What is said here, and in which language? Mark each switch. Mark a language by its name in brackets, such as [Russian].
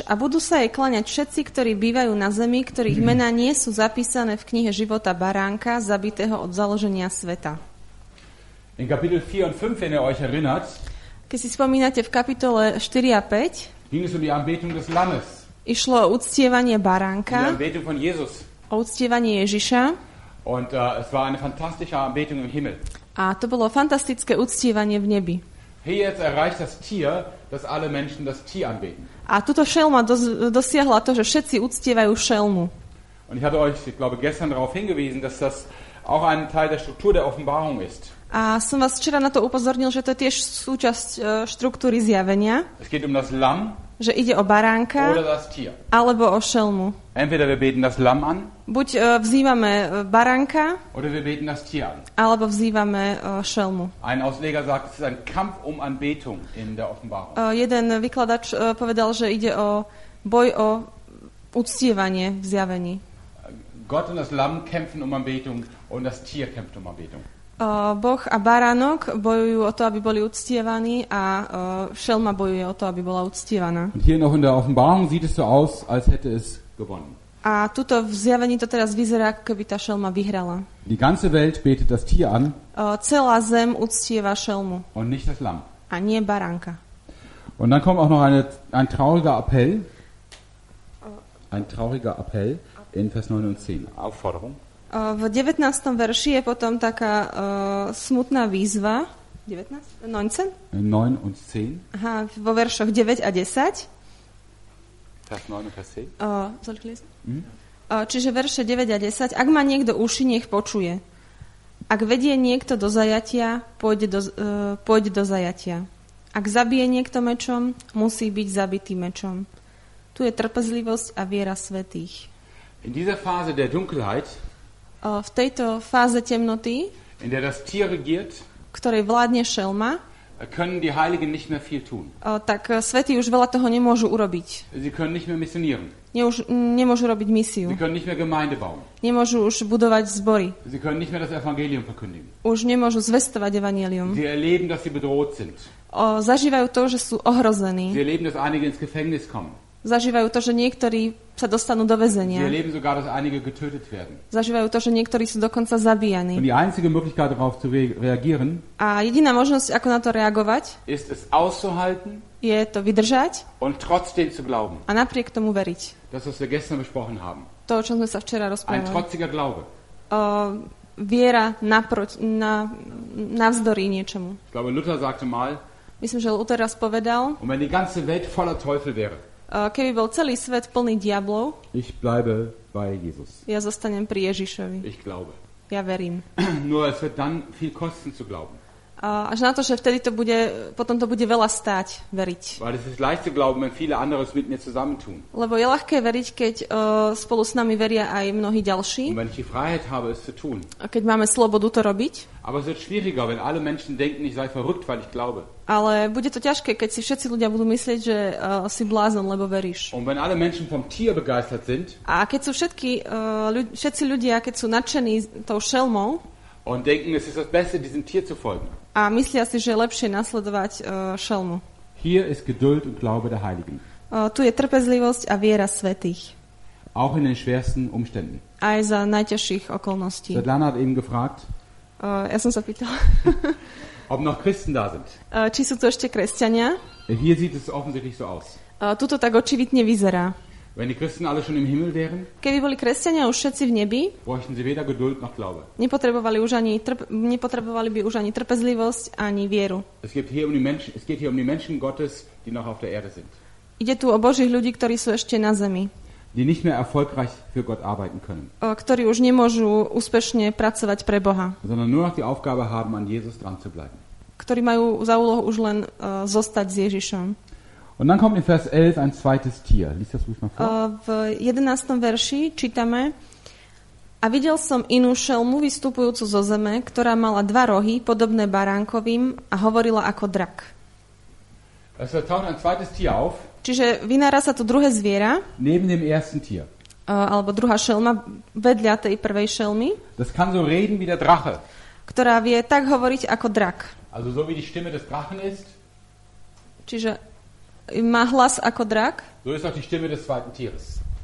[Slovak] A budú sa jej kláňať všetci, ktorí bývajú na zemi, ktorých mená nie sú zapísané v knihe života baránka, zabitého od založenia sveta. [German] In Kapitel 4 und 5, wenn ihr euch erinnert, [Slovak] keď si spomínate v kapitole 4 a 5, [German] ging es um die Anbetung des Lammes. [Slovak] Išlo o uctievanie baránka, [German] die Anbetung von Jesus. [Slovak] O uctievanie Ježiša. [German] Und es war eine fantastische Anbetung im Himmel. [Slovak] A to bolo fantastické uctievanie v nebi. [German] Hier jetzt erreicht das Tier, dass alle Menschen das Tier anbeten. [Slovak] A tuto šelma dosiahla to, že všetci uctievajú šelmu. [German] Und ich hatte euch, ich glaube, gestern darauf hingewiesen, dass das auch ein Teil der Struktur der Offenbarung ist. [Slovak] A som vás včera na to upozornil, že to je tiež súčasť štruktúry zjavenia. [German] Es geht um das Lamm. [Slovak] Že ide o baránka alebo o šelmu. [German] Entweder wir beten das Lamm an, [Slovak] buď vzývame baránka [German] oder wir beten das Tier an. [Slovak] Alebo vzývame šelmu. [German] Ein Ausleger sagt, es ist ein Kampf um Anbetung in der Offenbarung. [Slovak] Jeden vykladač povedal, že ide o boj o uctievanie v zjavení. [German] Gott und das Lamm kämpfen um Anbetung und das Tier kämpft um Anbetung. [Slovak] Boh a baránok bojujú o to, aby boli uctievaní a šelma bojuje o to, aby bola uctievaná. [German] Hier noch in der Offenbarung sieht es so aus, als hätte es gewonnen. [Slovak] A tuto v zjavení to teraz vyzerá, ako keby tá šelma vyhrala. [German] Die ganze Welt betet das Tier an. [Slovak] Celá zem uctieva šelmu. [German] Und nicht das Lamm. [Slovak] A nie baránka. [German] Und dann kommt auch noch ein trauriger Appell. Ein trauriger Appell in Vers 9 und 10. Aufforderung. [Slovak] V 19. verši je potom taká smutná výzva. 19? 19? [German] 9 und 10. [Slovak] Aha, vo veršoch 9 a 10. [German] Vers 9 und Vers 10. Soll ich lesen? [Slovak] Čiže verše 9 a 10. Ak má niekto uši, nech počuje. Ak vedie niekto do zajatia, pôjde do zajatia. Ak zabije niekto mečom, musí byť zabitý mečom. Tu je trpezlivosť a viera svätých. [German] In dieser Phase der Dunkelheit, [Slovak] v tejto fáze temnoty, [German] in der das Tier regiert, [Slovak] ktorej vládne šelma, [German] können die Heiligen nicht mehr viel tun. [Slovak] Tak svätí už veľa toho nemôžu urobiť. [German] Sie können nicht mehr missionieren. [Slovak] Nemôžu robiť misiu. [German] Sie können nicht mehr Gemeinde bauen. [Slovak] Nemôžu už budovať zbory. [German] Sie können nicht mehr das Evangelium verkündigen. [Slovak] Už nemôžu zvestovať evanjelium. [German] Sie erleben, dass sie bedroht sind. [Slovak] Zažívajú to, že sú ohrození. [German] Sie erleben, dass einige ins Gefängnis kommen. [Slovak] Zažívajú to, že niektorí sa dostanú do väzenia. [German] Sie erleben sogar, dass einige getötet werden. [Slovak] Zažívajú to, že niektorí sú dokonca zabíjani. [German] Und die einzige Möglichkeit darauf zu reagieren, [Slovak] a jediná možnosť, ako na to reagovať, [German] ist es auszuhalten, [Slovak] je to vydržať [German] und trotzdem zu glauben. [Slovak] A napriek tomu veriť. [German] Das, was wir gestern besprochen haben. [Slovak] To, o čom sme sa včera rozprávali. [German] Ein trotziger Glaube. [Slovak] Viera navzdory niečomu. [German] Ich glaube, Luther sagte mal, [Slovak] myslím, že Luther raz povedal, [German] und wenn die ganze Welt voller Teufel wäre, [Slovak] keby bol celý svet plný diablov, [German] ich bleibe bei Jesus. [Slovak] Ja zostanem pri Ježišovi. [German] Ich glaube. [Slovak] Ja verím. [German] Nur es wird dann viel kosten zu glauben. [Slovak] Až na to, že vtedy to bude, potom to bude veľa stáť veriť. [German] Weil es ist leicht zu glauben, wenn viele andere mit mir zusammentun. [Slovak] Lebo je ľahké veriť, keď spolu s nami veria aj mnohí ďalší. [German] Und wenn ich die Freiheit habe, es zu tun. [Slovak] A keď máme slobodu to robiť. [German] Aber es wird schwieriger, wenn alle Menschen denken, ich sei verrückt, weil ich glaube. [Slovak] Ale bude to ťažké, keď si všetci ľudia budú myslieť, že si blázon, lebo veríš. [German] Und wenn alle Menschen vom Tier begeistert sind. [Slovak] A keď sú všetci ľudia, keď sú nadšení tou šelmou. [German] Und denken, es ist das Beste, diesem Tier zu folgen. [Slovak] A myslia si, že je lepšie nasledovať šelmu. [German] Hier ist Geduld und Glaube der Heiligen. [Slovak] Tu je trpezlivosť a viera svätých. [German] Auch in den schwersten Umständen. [Slovak] Aj za najťažších okolností. [German] Svetlana hat eben gefragt. [Slovak] Ja som sa pýtala. [German] Ob noch Christen da sind. [Slovak] Či sú tu ešte kresťania? [German] Hier sieht es offensichtlich so aus. [Slovak] Tuto tak očividne vyzerá. [German] Wenn die Christen alle schon im Himmel wären, [Slovak] keby boli kresťania už všetci v nebi, [German] bräuchten sie weder Geduld noch Glaube. [Slovak] Nepotrebovali by už ani trpezlivosť, ani vieru. [German] Es geht hier um die Menschen Gottes, die noch auf der Erde sind. [Slovak] Ide tu o Božích ľudí, ktorí sú ešte na zemi. [German] die nicht mehr erfolgreich für Gott arbeiten können. [Slovak] Ktorí už nemôžu úspešne pracovať pre Boha. [German] Sondern nur noch die Aufgabe haben, an Jesus dran zu bleiben. [Slovak] Ktorí majú za úlohu už len zostať s Ježišom. [German] Und dann kommt in Vers 11 ein zweites Tier. Lies das ruhig mal vor. [Slovak] V 11. verši čítame: A videl som inú šelmu vystupujúcu zo zeme, ktorá mala dva rohy podobné baránkovým a hovorila ako drak. [German] Also taucht ein zweites Tier auf. [Slovak] Čiže vynára sa to druhé zviera. [German] Neben dem ersten Tier. [Slovak] Alebo druhá šelma vedľa tej prvej šelmy. [German] Das kann so reden wie der Drache. [Slovak] Ktorá vie tak hovoriť ako drak. [German] Also so wie die Stimme des Drachen ist. [Slovak] Čiže má hlas ako drak. [German] So ist auch die Stimme des zweiten Tieres.